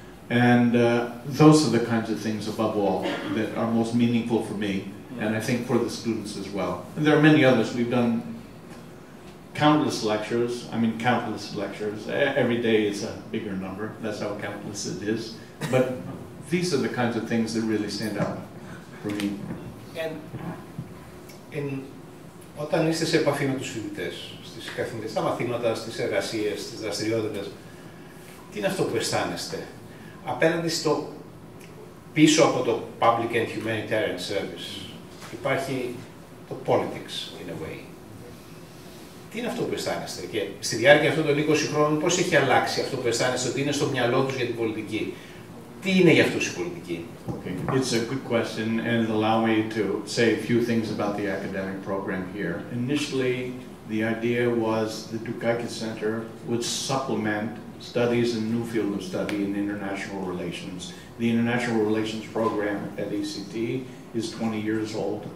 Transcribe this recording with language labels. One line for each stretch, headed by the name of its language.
English: And those are the kinds of things, above all, that are most meaningful for me, and I think for the students as well. And there are many others. We've done countless lectures. Every day is a bigger number. That's how countless it is. But these are the kinds of things that really stand out for me. And
Greek: όταν είστε σε επαφή με τους φοιτητές, στις καθηγητές, στα μαθήματα, στις εργασίες, στις δραστηριότητες, τι είναι αυτό που αισθάνεστε απέναντι στο πίσω από το
English: public and humanitarian service?
Greek: Υπάρχει το
English: politics, in a way.
Greek: Τι είναι αυτό που αισθάνεστε και στη διάρκεια αυτών των 20 χρόνων πώς έχει αλλάξει αυτό που αισθάνεστε ότι είναι στο μυαλό τους για την πολιτική? Τι είναι για αυτούς η πολιτική?
English: Okay. It's a good question, and allow me to say a few things about the academic program here. Initially, the idea was the Dukakis Center would supplement studies in a new field of study in international relations. The international relations program at ACT is 20 years old.